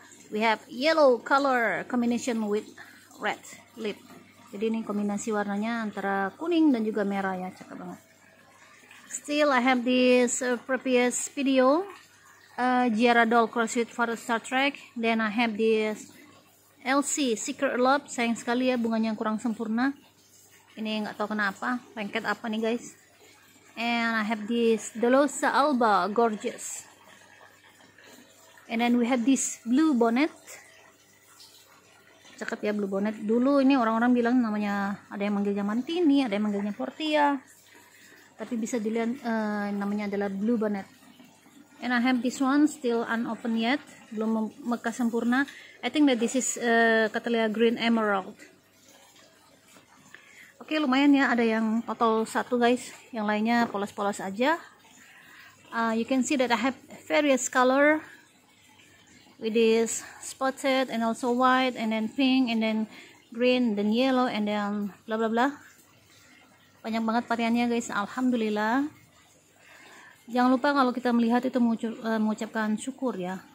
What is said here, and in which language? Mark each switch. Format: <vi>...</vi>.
<en>We have yellow color combination with red lip.</en> <id>Jadi ini kombinasi warnanya antara kuning dan juga merah ya, cakep banget.</id> <en>Still I have this previous video Girardol cross with for Star Trek. Then I have this LC Secret Love.</en> <id>Sayang sekali ya bunganya yang kurang sempurna. Ini nggak tahu kenapa, lengket apa nih guys.</id> <en>And I have this</en> <id>Dolosa Alba Gorgeous.</id> <en>And then we have this Blue Bonnet.</en> <id>Cakep ya Blue Bonnet. Dulu ini orang-orang bilang namanya, ada yang manggilnya Mantini, ada yang manggilnya Portia, tapi bisa dilihat namanya adalah Blue Bonnet.</id> <en>And I have this one still unopened yet,</en> <id>belum mekar sempurna.</id> <en>I think that this is Cattleya Green Emerald.</en> <id>Oke, lumayan ya, ada yang total satu guys, yang lainnya polos-polos aja.</id> <en>You can see that I have various color with this spotted and also white and then pink and then green then yellow and then bla bla bla.</en> <id>Banyak banget variannya guys, alhamdulillah. Jangan lupa kalau kita melihat itu mengucapkan syukur ya.</id>